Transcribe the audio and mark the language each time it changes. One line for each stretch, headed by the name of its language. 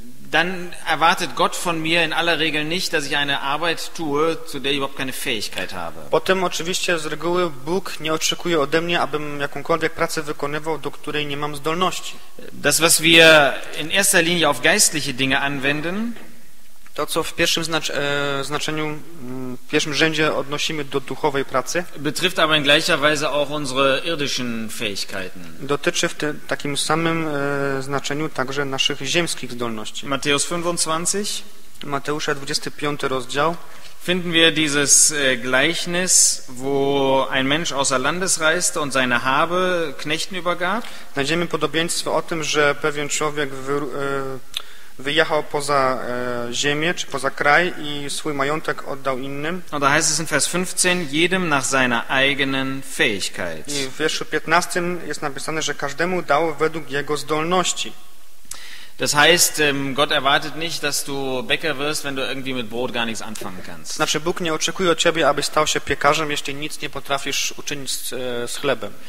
German: Dann erwartet Gott von mir in aller Regel nicht, dass ich eine Arbeit tue, zu der ich überhaupt keine Fähigkeit habe.
Polish: Potem oczywiście z reguły Bóg nie oczekuje ode mnie, abym jakąkolwiek pracę wykonywał, do której nie mam zdolności.
German: Das, was wir in erster Linie auf geistliche Dinge anwenden,
Polish: to, co w pierwszym znaczeniu, w pierwszym rzędzie odnosimy do duchowej pracy,
German: betrifft aber in gleicher Weise auch unsere irdischen Fähigkeiten.
Polish: Dotyczy w takim samym znaczeniu także naszych ziemskich zdolności. Mateusz 25. Mateusza 25 rozdział.
German: Finden wir dieses Gleichnis, wo ein Mensch außer Landes reiste und seine Habe Knechten übergab.
Polish: Znajdziemy podobieństwo o tym, że pewien człowiek wyjechał poza ziemię czy poza kraj i swój majątek oddał innym.
German: No, da heißt es in Vers 15 jedem nach seiner eigenen Fähigkeit.
Polish: I w wierszu 15 jest napisane, że każdemu dał według jego zdolności.
German: Das heißt, Gott erwartet nicht, dass du Bäcker wirst, wenn du irgendwie mit Brot gar nichts anfangen kannst.
Polish: Znaczy, Bóg nie oczekuje od ciebie, abyś stał się piekarzem, jeśli nic nie potrafisz uczynić z chlebem.